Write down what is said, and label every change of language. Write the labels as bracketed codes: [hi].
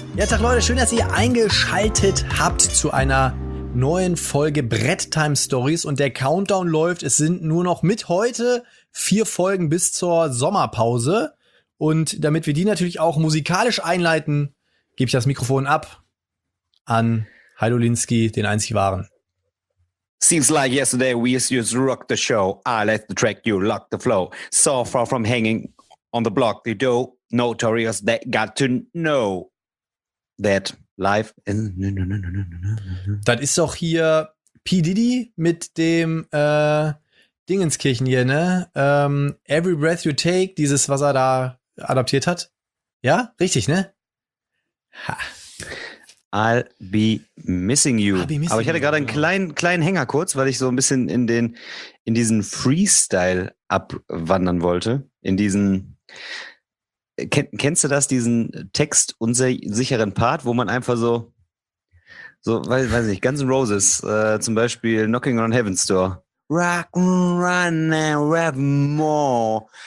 [de] Ja, Tag Leute, schön, dass ihr eingeschaltet habt zu einer neuen Folge Brett Time Stories. Und der Countdown läuft, es sind nur noch mit heute 4 Folgen bis zur Sommerpause. Und damit wir die natürlich auch musikalisch einleiten, gebe ich das Mikrofon ab an Haider Linsky, den einzig wahren. [en] Seems like yesterday we just rocked the show. I let the track, you lock the flow. So far from hanging on the block, the dough. Notorious, they got to know that life is... [de] Das ist doch hier P. Diddy mit dem Dingenskirchen hier, ne? Every Breath You Take, dieses, was er da adaptiert hat. Ja, richtig, ne? [en] Ha. I'll be missing you. [de] Aber ich hatte gerade einen kleinen Hänger kurz, weil ich so ein bisschen in diesen Freestyle abwandern wollte. In diesen... Kennst du das, diesen Text unsicheren Part, wo man einfach so weiß nicht, Guns N' Roses, zum Beispiel Knocking on Heaven's Door. [en] Rock and run and rap more.